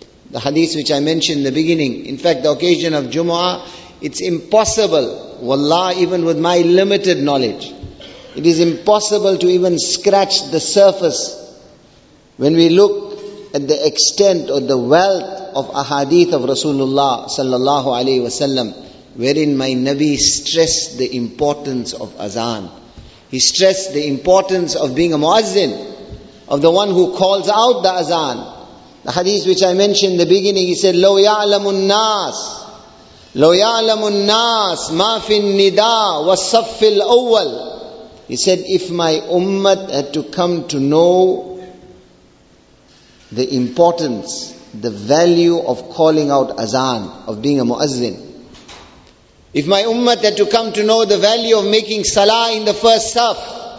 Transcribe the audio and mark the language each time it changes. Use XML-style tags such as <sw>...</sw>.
<en>The hadith which I mentioned in the beginning. In fact, the occasion of Jumu'ah, it's impossible, wallah, even with my limited knowledge, it is impossible to even scratch the surface when we look at the extent or the wealth of ahadith of Rasulullah sallallahu alayhi wa sallam, wherein my Nabi stressed the importance of azan. He stressed the importance of being a muazzin, of the one who calls out the azan. The hadith which I mentioned in the beginning, he said,</en> <ar>لو يعلم الناس لو يعلم الناس ما في النداء والصف الأول.</ar> <en>He said, if my ummah had to come to know the importance, the value of calling out azan, of being a muazzin. If my ummah had to come to know the value of making salah in the first saf.</en>